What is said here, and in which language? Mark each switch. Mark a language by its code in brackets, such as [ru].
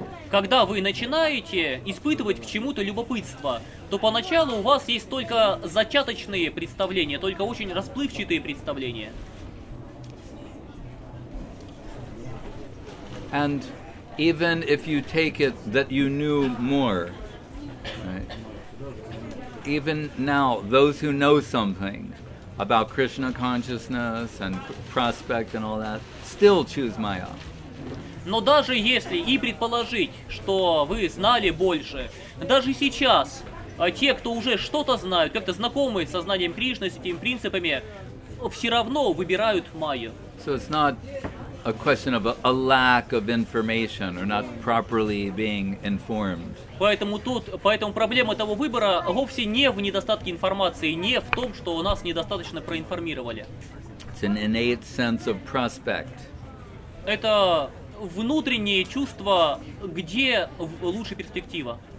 [ru] Когда вы начинаете испытывать к чему-то любопытство, то поначалу у вас есть только зачаточные представления, только очень расплывчатые представления. [en] And even if you take it that you knew more, right? Even now, those who know something about Krishna consciousness and prospect and all that still choose Maya. [ru] Но даже если и предположить, что вы знали больше, даже сейчас те, кто уже что-то знают, как-то знакомы с сознанием Кришны, с этими принципами, все равно выбирают майю. [en] So it's not a question of a lack of information or not properly being informed. [ru] Поэтому проблема того выбора вовсе не в недостатке информации, не в том, что нас недостаточно проинформировали. [en] It's an innate sense of prospect. [ru] Это внутреннее чувство, где лучше перспектива.